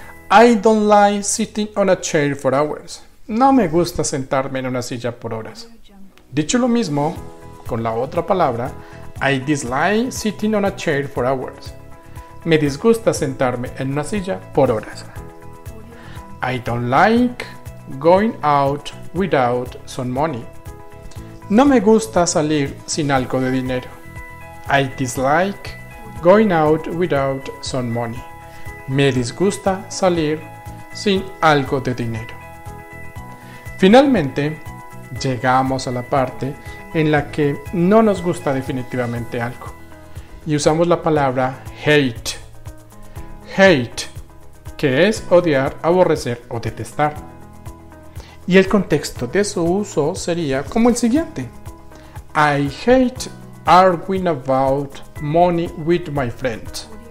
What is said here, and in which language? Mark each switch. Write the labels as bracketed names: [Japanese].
[English] I don't like sitting on a chair for hours. [Spanish] No me gusta sentarme en una silla por horas. Dicho lo mismo, con la otra palabra, [English] I dislike sitting on a chair for hours. [Spanish] Me disgusta sentarme en una silla por horas. [English] I don't like going out without some money. [Spanish] No me gusta salir sin algo de dinero. [English] I dislike going out without some money. [Spanish] Me disgusta salir sin algo de dinero. Finalmente, llegamos a la parte en la que no nos gusta definitivamente algo y usamos la palabra hate. Hate, que es odiar, aborrecer o detestar. Y el contexto de su uso sería como el siguiente. [English] I hate arguing about money with my friends.